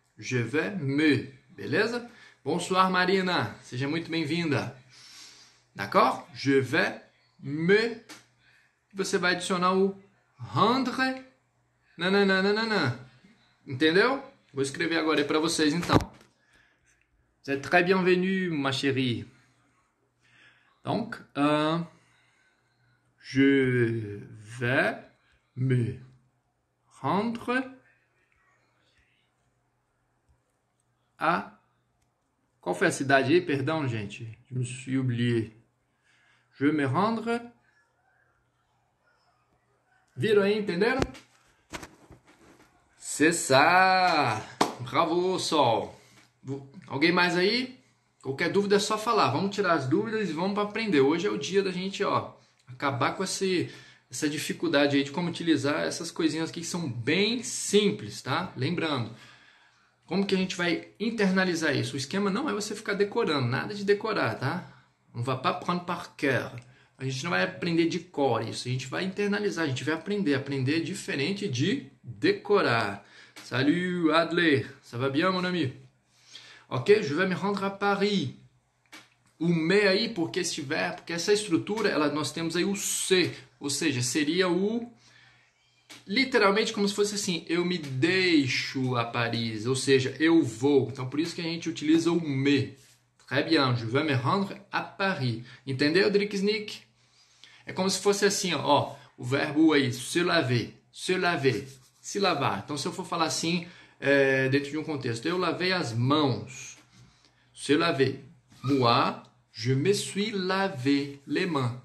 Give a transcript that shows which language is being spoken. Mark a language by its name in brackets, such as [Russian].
[French] Je vais me. Beleza? Bonsoir, Marina. [Portuguese] Seja muito bem-vinda. [French] D'accord? Je vais me. [Portuguese] Você vai adicionar o rendre. Nananana. Entendeu? Vou escrever agora aí para vocês, então. [French] Vous êtes très bienvenue, ma chérie. Donc, je vais me rendre à. [Portuguese] Qual foi a cidade aí? Perdão, gente. [French] Je me suis oublié. Je me rendre. [Portuguese] Viram aí, entenderam? [French] C'est ça! [Portuguese] Bravo, sol! Alguém mais aí? Qualquer dúvida é só falar. Vamos tirar as dúvidas e vamos para aprender. Hoje é o dia da gente, ó. Acabar com essa dificuldade aí de como utilizar essas coisinhas aqui que são bem simples, tá? Lembrando, como que a gente vai internalizar isso? O esquema não é você ficar decorando, nada de decorar, tá? [French] On va pas prendre par cœur. [Portuguese] A gente não vai aprender de cor isso, a gente vai internalizar, a gente vai aprender. Aprender é diferente de decorar. [French] Salut Adler, ça va bien, mon ami? Ok, je vais me rendre à Paris. [Portuguese] O me aí, porque esse verbo, porque essa estrutura, ela, nós temos aí o se, ou seja, seria o literalmente como se fosse assim, eu me deixo a Paris, ou seja, eu vou. Então por isso que a gente utiliza o me. [French] Très bien, je vais me rendre à Paris. [Portuguese] Entendeu, Drixnik? É como se fosse assim, ó, o verbo aí, se laver, se laver, se lavar. Então se eu for falar assim, dentro de um contexto, eu lavei as mãos, [French] se laver, moi. Je me suis lavé les mains.